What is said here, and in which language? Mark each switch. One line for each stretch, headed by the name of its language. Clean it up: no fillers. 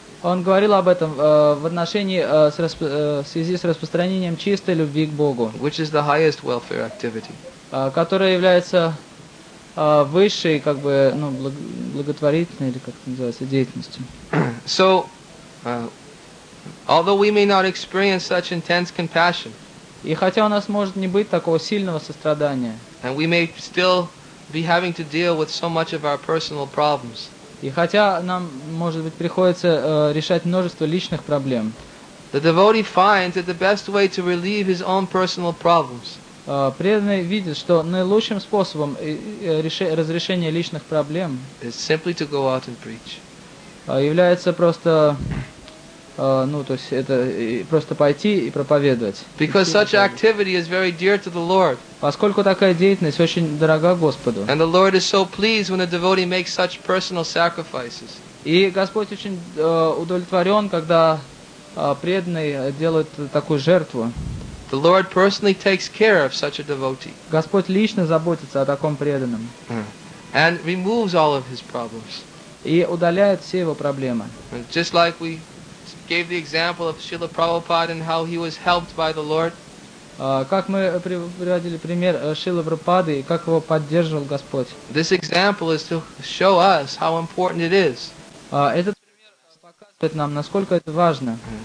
Russian: Он говорил об этом в отношении в связи с распространением чистой любви к Богу.
English: Which is the highest welfare activity.
Russian: Которая является высшей, как бы, ну, благотворительной или как это называется, деятельностью.
English: So, although we may not experience such intense compassion,
Russian: и хотя у нас может не быть такого сильного сострадания,
English: and we may still be having to deal with so much of our personal problems.
Russian: И хотя нам, может быть, приходится решать множество личных проблем,
English: the devotee finds that the best way to relieve his own personal problems.
Russian: Преданный видит, что наилучшим способом разрешения личных проблем
English: is simply to go out and preach.
Russian: Является просто, ну, то есть это просто пойти и проповедовать.
English: Because such activity is very dear to the Lord.
Russian: Поскольку такая деятельность очень дорога Господу.
English: And the Lord is so pleased when a devotee makes such personal sacrifices.
Russian: И Господь очень удовлетворен, когда преданный делает такую жертву.
English: The Lord personally takes care of such a devotee.
Russian: Господь лично заботится о таком преданном.
English: And removes all of his problems.
Russian: И удаляет все его проблемы.
English: Just like we gave the example of Srila Prabhupada and how he was helped by the Lord.
Russian: Как мы приводили пример Шрилы Прабхупады и как его поддерживал Господь.
English: This example is to show us how important it is.
Russian: Этот пример показывает нам, насколько это важно.